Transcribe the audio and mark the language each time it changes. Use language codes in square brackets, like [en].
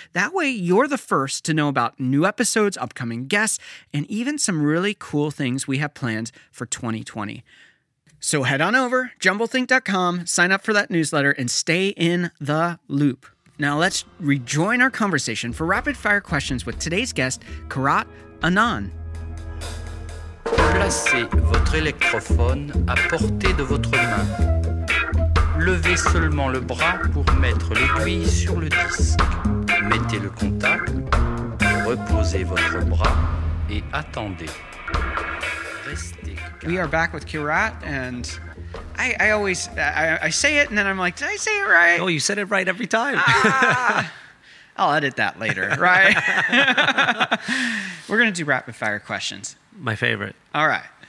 [en] That way, you're the first to know about new episodes, upcoming guests, and even some really cool things we have planned for 2020. So head on over, jumblethink.com, sign up for that newsletter, and stay in the loop. Now let's rejoin our conversation for rapid fire questions with today's guest, Karat Anand. [fr] Placez votre électrophone à portée de votre main. Levez seulement le bras pour mettre l'aiguille sur le disque. Mettez le contact, reposez votre bras et attendez. Restez calme. [en] We are back with Karat, and I always say it, and then I'm like, did I say it right? Oh, you said it right every time. I'll edit that later, right? We're going to do rapid fire questions. My favorite. All right.